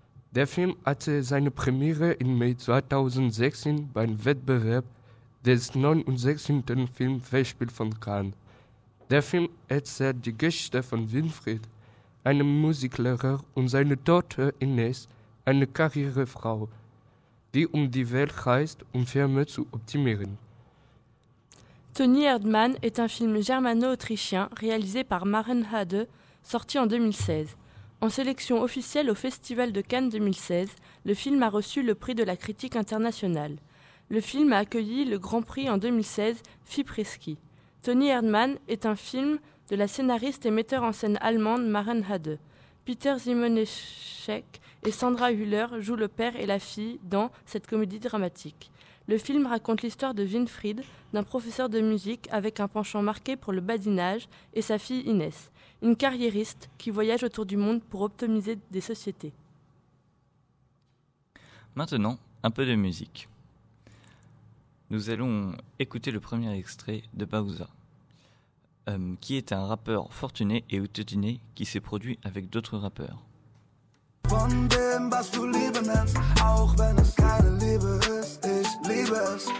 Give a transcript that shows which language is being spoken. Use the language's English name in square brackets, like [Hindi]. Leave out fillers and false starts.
[German] Der Film hatte seine Premiere im Mai 2016 beim Wettbewerb des 69. Filmfestspiels von Cannes. Der Film erzählt die Geschichte von Winfried, einem Musiklehrer, und seine Tochter Ines, eine Karrierefrau, die um die Welt reist, um Firmen zu optimieren. [French] Toni Erdmann est un film germano-autrichien réalisé par Maren Hade, sorti en 2016. En sélection officielle au Festival de Cannes 2016, le film a reçu le prix de la critique internationale. Le film a accueilli le Grand Prix en 2016, Fipreski. Toni Erdmann est un film de la scénariste et metteur en scène allemande Maren Hade. Peter Simonischek et Sandra Hüller jouent le père et la fille dans cette comédie dramatique. Le film raconte l'histoire de Winfried, d'un professeur de musique avec un penchant marqué pour le badinage, et sa fille Inès, une carriériste qui voyage autour du monde pour optimiser des sociétés. Maintenant, un peu de musique. Nous allons écouter le premier extrait de Bauza, qui est un rappeur fortuné et autodidacte qui s'est produit avec d'autres rappeurs. [German] Von dem, was du Liebe nennst, auch wenn es keine Liebe ist, ich liebe es.